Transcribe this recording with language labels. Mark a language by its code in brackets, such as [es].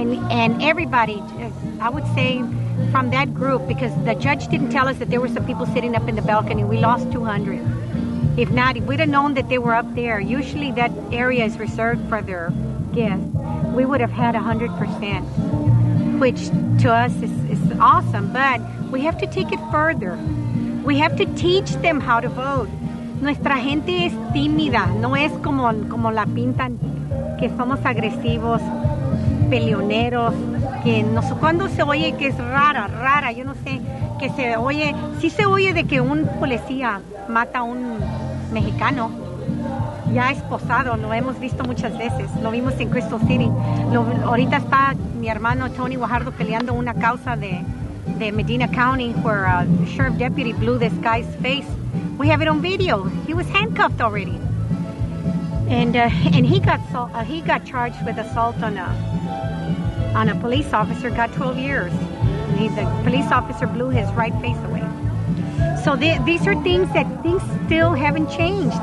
[en] And everybody, I would say from that group, because the judge didn't tell us that there were some people sitting up in the balcony, we lost 200. If not, if we'd have known that they were up there, usually that area is reserved for their guests, we would have had 100%, which to us is awesome. But we have to take it further. We have to teach them how to vote. [es] Nuestra gente es tímida, no es como la pintan, que somos agresivos, peleoneros, que no sé cuándo se oye que es rara, yo no sé, que se oye, sí se oye de que un policía mata a un mexicano, ya esposado, lo hemos visto muchas veces, lo vimos en Crystal City, ahorita está mi hermano Tony Guajardo peleando una causa de Medina County, [en] where a sheriff deputy blew this guy's face. We have it on video. He was handcuffed already, and he got charged with assault on a police officer. Got 12 years. The police officer blew his right face away. So these are things still haven't changed.